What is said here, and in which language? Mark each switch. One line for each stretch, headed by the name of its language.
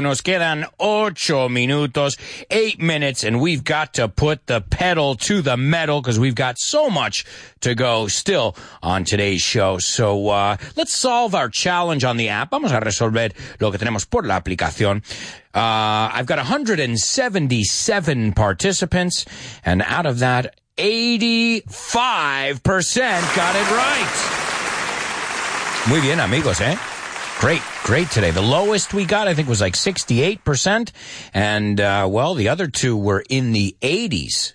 Spanish: Nos quedan 8 minutos,
English: 8 minutes, and we've got to put the pedal to the metal because we've got so much to go still on today's show. So let's solve our challenge on the app.
Spanish: Vamos a resolver lo que tenemos por la aplicación.
English: I've got 177 participants, and out of that, 85% got it right.
Spanish: Muy bien, amigos, eh?
English: Great, great today. The lowest we got, I think, was like 68%. And, well, the other two were in the 80s.